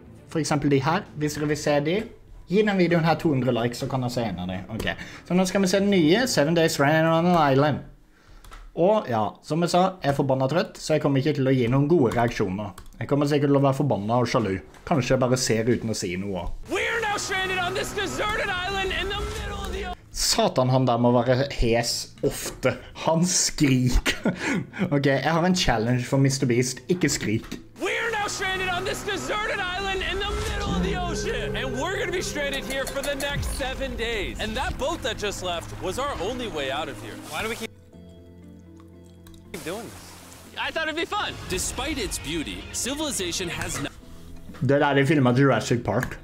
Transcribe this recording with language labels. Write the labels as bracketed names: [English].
[Norwegian] For eksempel de her, hvis dere vil se de. Gi denne videoen her 200 likes, så kan dere se en av de. Ok, så nå skal vi se den nye, 7 Days Running on an Island. Og ja, som jeg sa, jeg forbannet trøtt, så jeg kommer ikke til å gi noen gode reaksjoner. Jeg kommer sikkert til å være forbannet og sjalu. Kanskje jeg bare ser uten å si noe. [English] We are now stranded on this deserted island in the middle of the... [Norwegian] Satan, han der må være hes ofte. Han skrik. Ok, jeg har en challenge for MrBeast. Ikke skrik. [English] We are now stranded on this deserted island in the middle of the ocean. And we're gonna be stranded here for the next 7 days. And that boat that just left was our only way out of here. Why do we keep doing this? I thought it'd be fun. Despite its beauty, civilization has not... [Norwegian] Det der de filmet Jurassic Park.